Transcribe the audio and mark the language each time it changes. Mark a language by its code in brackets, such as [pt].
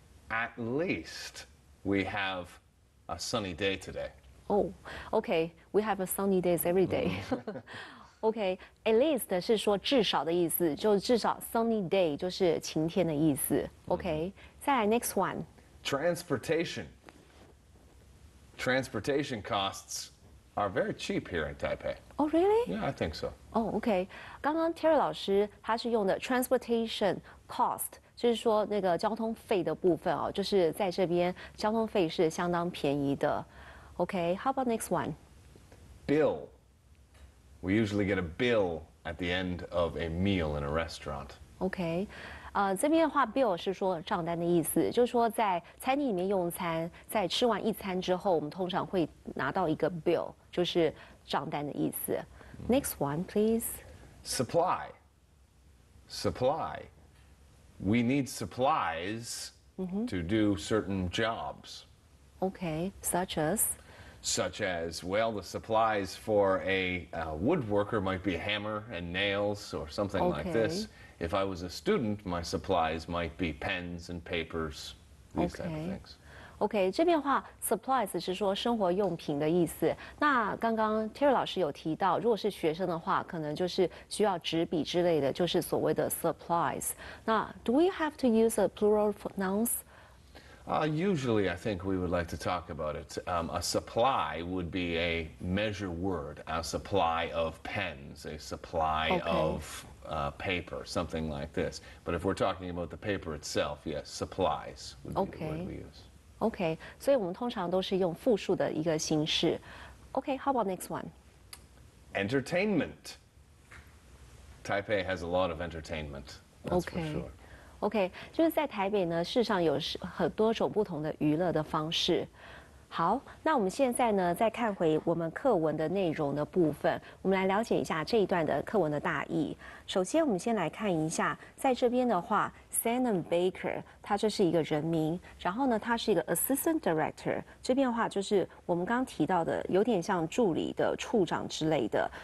[en] At least, we have a sunny day today. Oh, okay. We have a sunny days every day. [zh] Okay, at least 是说至少的意思，就至少 sunny day 就是晴天的意思。 [en] Okay,、mm-hmm. [zh] 再来 [en] next one. Transportation. Transportation costs are very cheap here in Taipei. Oh, really? Yeah, I think so. Oh, okay. [zh] 刚刚 Terry 老师他是用的 transportation cost， 就是说那个交通费的部分哦，就是在这边交通费是相当便宜的。 [en] Okay, how about next one? Bill. We usually get a bill at the end of a meal in a restaurant. Okay. [zh] 这边的话 ，bill 是说账单的意思，就是说在餐厅里面用餐，在吃完一餐之后，我们通常会拿到一个 bill， 就是账单的意思。 [en] Next one, please. Supply. Supply. We need supplies、mm-hmm. to do certain jobs. Okay, such as. Such as, well, the supplies for a woodworker might be a hammer and nails or something、 okay. like this. If I was a student, my supplies might be pens and papers, these、 okay. type of things. [zh] Okay, 这边的话 supplies 是说生活用品的意思。那刚刚 Terry 老师有提到，如果是学生的话，可能就是需要纸笔之类的，就是所谓的 supplies。 [en] 那 do we have to use a plural nouns? Usually, I think we would like to talk about it. A supply would be a measure word, a supply of pens, a supply、 okay. of... paper, something like this. But if we're talking about the paper itself, yes, supplies would be、 okay. the word we use. [zh] Okay, 所以我们通常都是用复数的一个形式。 [en] Okay, how about next one? Entertainment. Taipei has a lot of entertainment, that's、 okay. for sure. [zh] Okay, 就是在台北呢，事实上有很多种不同的娱乐的方式。好，那我们现在呢，再看回我们课文的内容的部分，我们来了解一下这一段的课文的大意。首先，我们先来看一下，在这边的话 ，Sanam Baker， 他这是一个人名，然后呢，他是一个 Assistant Director， 这边的话就是我们刚提到的，有点像助理的处长之类的。